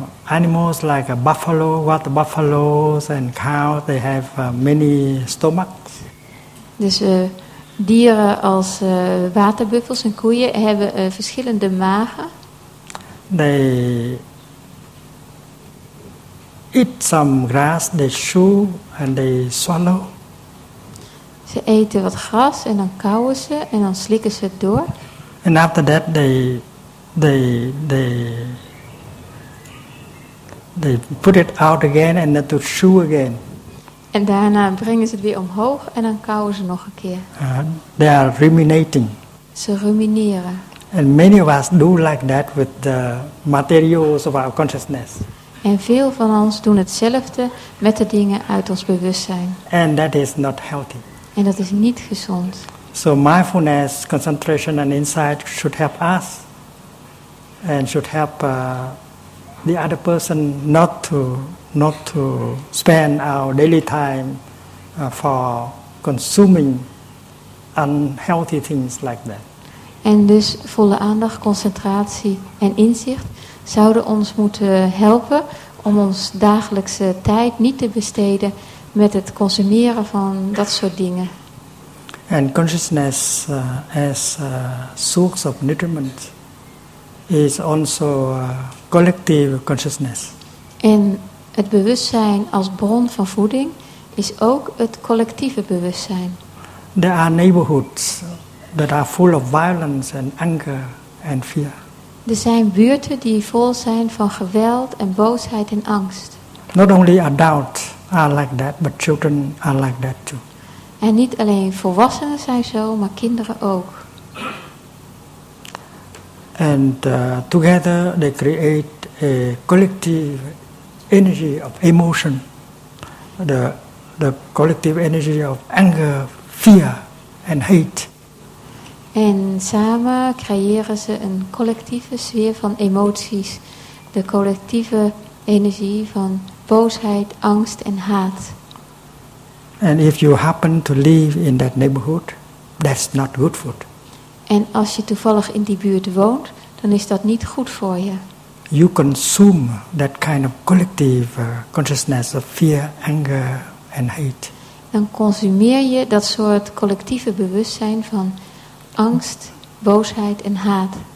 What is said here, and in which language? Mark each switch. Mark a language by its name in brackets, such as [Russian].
[English] Animals like a buffalo, water buffaloes and cows, they have many stomachs. [Dutch] Dus dieren als waterbuffels en koeien hebben verschillende magen. [English] They eat some grass, they chew and they swallow. [Dutch] Ze eten wat gras en dan kauwen ze en dan slikken ze het door. [English] And after that they put it out again and then to chew again. [Dutch] En daarna brengen ze het weer omhoog en dan kauwen ze nog een keer. [English] They are ruminating. [Dutch] Ze rumineren. [English] And many of us do like that with the materials of our consciousness. [Dutch] En veel van ons doen hetzelfde met de dingen uit ons bewustzijn. [English] And that is not healthy. [Dutch] En dat is niet gezond. [English] So mindfulness, concentration and insight should help us and should help the other person not to spend our daily time for consuming unhealthy things like that. [Dutch] En dus volle aandacht, concentratie en inzicht zouden ons moeten helpen om ons dagelijkse tijd niet te besteden met het consumeren van dat soort dingen. [English] And consciousness as a source of nutriment is also collective consciousness. [Dutch] En het bewustzijn als bron van voeding is ook het collectieve bewustzijn. [English] There are neighborhoods that are full of violence and anger and fear. [Dutch] Er zijn buurten die vol zijn van geweld en boosheid en angst. [English] Not only adults are like that, but children are like that too. [Dutch] En niet alleen volwassenen zijn zo, maar kinderen ook. [English] And together they create a collective energy of emotion. The collective energy of anger, fear and hate. [Dutch] En samen creëren ze een collectieve sfeer van emoties. De collectieve energie van boosheid, angst en haat. [English] And if you happen to live in that neighborhood, that's not good food. [Dutch] En als je toevallig in die buurt woont, dan is dat niet goed voor je. [English] you consume that kind of collective consciousness of fear, anger and hate. [Dutch] Dan consumeer je dat soort collectieve bewustzijn van angst, boosheid en haat.